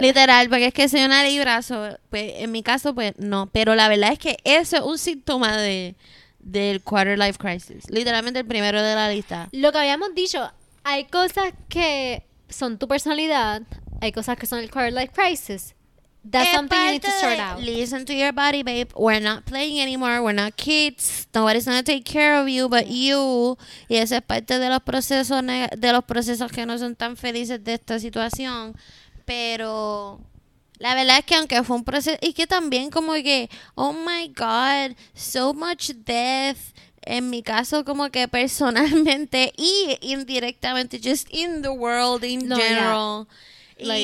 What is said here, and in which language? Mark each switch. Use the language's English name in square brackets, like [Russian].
[Spanish] Literal, porque es que soy una libra, so, pues en mi caso, pues no. Pero la verdad es que eso es un síntoma de... del quarter life crisis, literalmente el primero de la lista. Lo que habíamos dicho, hay cosas que son tu personalidad, hay cosas que son el quarter life crisis. [English] That's [Spanish] es [English] something you need to sort out. Listen to your body, babe. We're not playing anymore. We're not kids. Nobody's gonna take care of you but you. [Spanish] Y esa es parte de los procesos que no son tan felices de esta situación, pero la verdad es que aunque fue un proceso, y que también como que, [English] oh my God, so much death, [Spanish] en mi caso como que personalmente y indirectamente, [English] just in the world in general, yeah.